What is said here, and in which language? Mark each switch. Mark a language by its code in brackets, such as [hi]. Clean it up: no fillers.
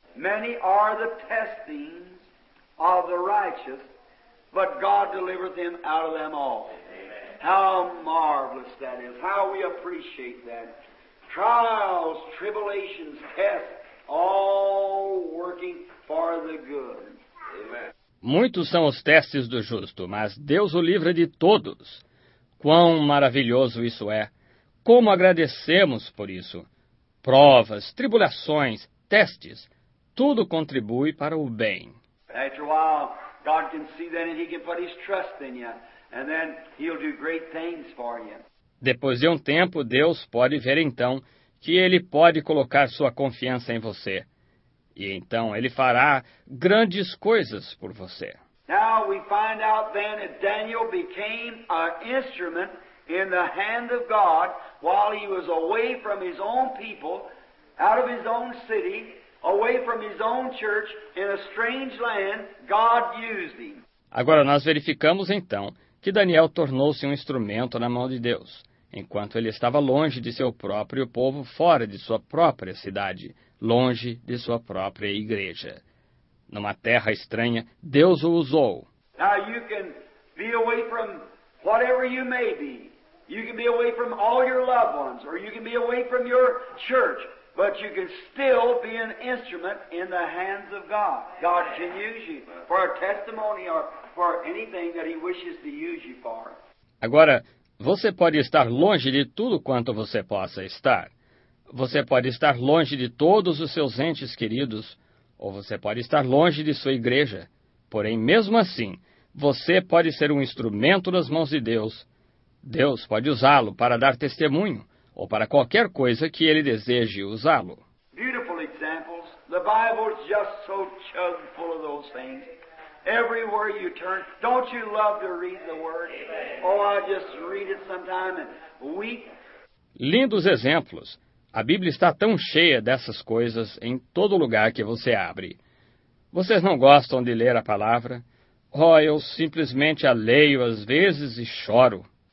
[en] Many are the testings of the righteous, but God delivers them out of them all. Amen. How marvelous that is. How we appreciate that. Trials, tribulations, tests, all working for the good. Amen. [pt] Muitos são os testes do justo, mas Deus o livra de todos. Quão maravilhoso isso é! Como agradecemos por isso! Provas, tribulações, testes, tudo contribui para o bem. [en] After a while, God can see that and He can put His trust in you, and then He'll do great things for you. [pt] Depois de um tempo, Deus pode ver então que Ele pode colocar sua confiança em você. E então Ele fará grandes coisas por você. [en] Now we find out then that Daniel became an instrument in the hand of God while he was away from his own people, out of his own city, away from his own church, in a strange land, God used him. [pt] Agora nós verificamos então que Daniel tornou-se um instrumento na mão de Deus, enquanto ele estava longe de seu próprio povo, fora de sua própria cidade, longe de sua própria igreja. Numa terra estranha, Deus o usou. [en] Now you can be away from whatever you may be. You can be away from all your loved ones, or you can be away from your church, but you can still be an instrument in the hands of God. God can use you for a testimony or for anything that He wishes to use you for. [pt] Agora, você pode estar longe de tudo quanto você possa estar. Você pode estar longe de todos os seus entes queridos, ou você pode estar longe de sua igreja. Porém, mesmo assim, você pode ser um instrumento nas mãos de Deus. Deus pode usá-lo para dar testemunho, ou para qualquer coisa que Ele deseje usá-lo. [en] Beautiful examples. The Bible is just so chock full of those things. Everywhere you turn, don't you love to read the Word? Oh, I just read it sometime and weep. [pt] Lindos exemplos. A Bíblia está tão cheia dessas coisas em todo lugar que você abre. Vocês não gostam de ler a palavra? Oh, eu simplesmente a leio às vezes e choro.